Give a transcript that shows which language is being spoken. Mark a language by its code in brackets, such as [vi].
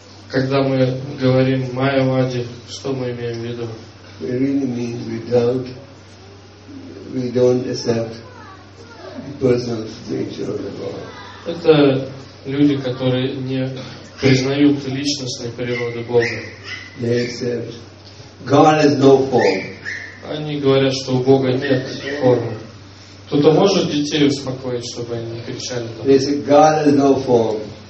[ru] Когда мы говорим майявади, что мы имеем в виду? [en] We really mean we don't accept the personal nature of the God. [ru] Это люди, которые не признают личностной природы Бога. [en] They accept God has no form. [ru] Они говорят, что у Бога нет формы. Кто-то может детей успокоить, чтобы они не кричали там? [en] They say God has no form.